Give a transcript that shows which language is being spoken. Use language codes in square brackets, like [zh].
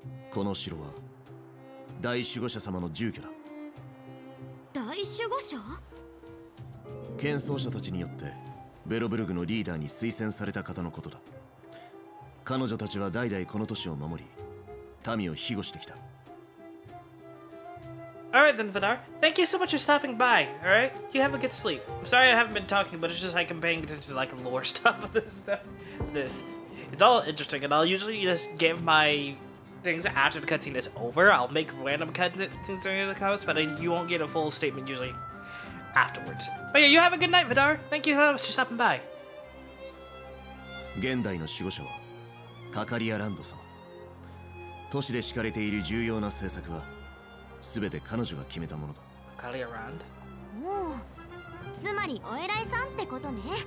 [ja] この城は大守護者様の住居だ。大守護者？剣奏者たちによってベロブルグのリーダーに推薦された方のことだ。彼女たちは代々この都市を守り、民を庇護してきた。 [en] Alright then, Vidar. Thank you so much for stopping by, alright? You have a good sleep. I'm sorry I haven't been talking, but it's just I've been paying attention to, like, lore stuff of this. It's all interesting, and I'll usually just give my things after the cutscene is over. I'll make random cutscenes during the comments, but you won't get a full statement usually afterwards. But yeah, you have a good night, Vidar. Thank you so much for stopping by. [ja] 現代の守護者は、カカリア・ランド様。都市で敷かれている重要な政策は、すべて彼女が決めたものだ。カリアランド。おお、つまりお偉いさんってことね。